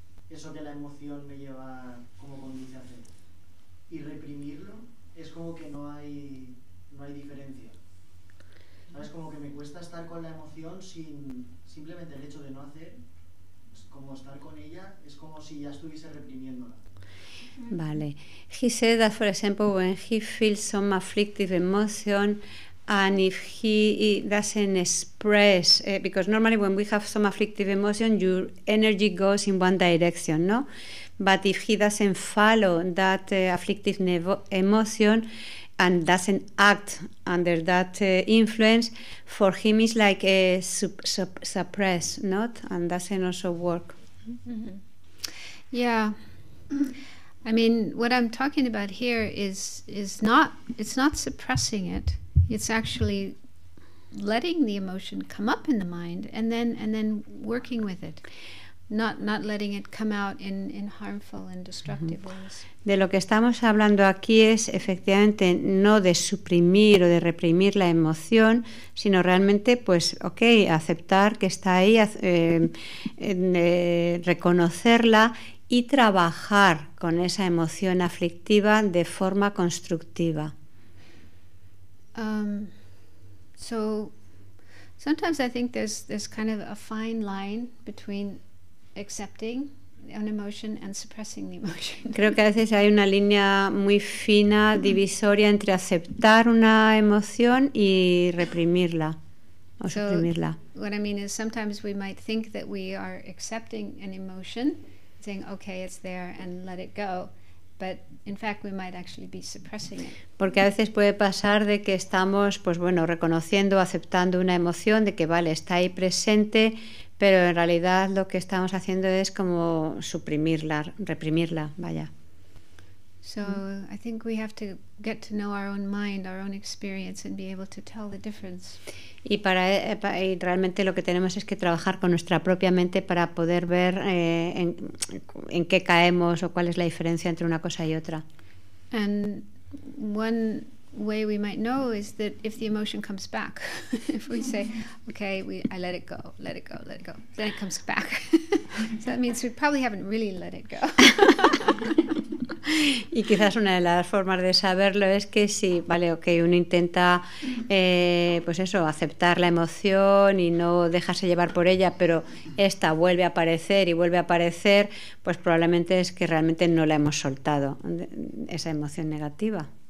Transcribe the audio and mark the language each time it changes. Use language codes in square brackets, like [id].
[es] Eso que la emoción me lleva como conduce a hacer y reprimirlo, es como que no hay diferencia, ¿sabes? Como que me cuesta estar con la emoción sin simplemente el hecho de no hacer, es como estar con ella, es como si ya estuviese reprimiéndola. Vale. [en] He said that, for example, when he feels some afflictive emotion and if he doesn't express, because normally when we have some afflictive emotion, your energy goes in one direction, no? But if he doesn't follow that afflictive emotion and doesn't act under that influence, for him it's like a suppress, not? And doesn't also work. Mm-hmm. Yeah. I mean, what I'm talking about here is not suppressing it. It's actually letting the emotion come up in the mind and then working with it, not letting it come out in harmful and destructive mm-hmm. ways. [es] De lo que estamos hablando aquí es efectivamente no de suprimir o de reprimir la emoción, sino realmente, pues, okay, aceptar que está ahí, reconocerla y trabajar con esa emoción aflictiva de forma constructiva. [en] So sometimes I think there's kind of a fine line between accepting an emotion and suppressing the emotion. [es] Creo que a veces hay una línea muy fina, divisoria, entre aceptar una emoción y reprimirla o suprimirla. [en] So what I mean is sometimes we might think that we are accepting an emotion, saying, okay, it's there, and let it go. But in fact, we might actually be suppressing it. [es] Porque a veces puede pasar de que estamos, pues bueno, reconociendo, aceptando una emoción, de que vale, está ahí presente, pero en realidad lo que estamos haciendo es como suprimirla, reprimirla, vaya. [en] So I think we have to get to know our own mind, our own experience, and be able to tell the difference. [es] Y realmente lo que tenemos es que trabajar con nuestra propia mente para poder ver en qué caemos o cuál es la diferencia entre una cosa y otra. [en] And one way we might know is that if the emotion comes back, if we say, okay, I let it go, then it comes back. So that means we probably haven't really let it go. [es] Y quizás una de las formas de saberlo es que si, vale, okay, uno intenta pues eso, aceptar la emoción y no dejarse llevar por ella, pero esta vuelve a aparecer y vuelve a aparecer, pues probablemente es que realmente no la hemos soltado, esa emoción negativa.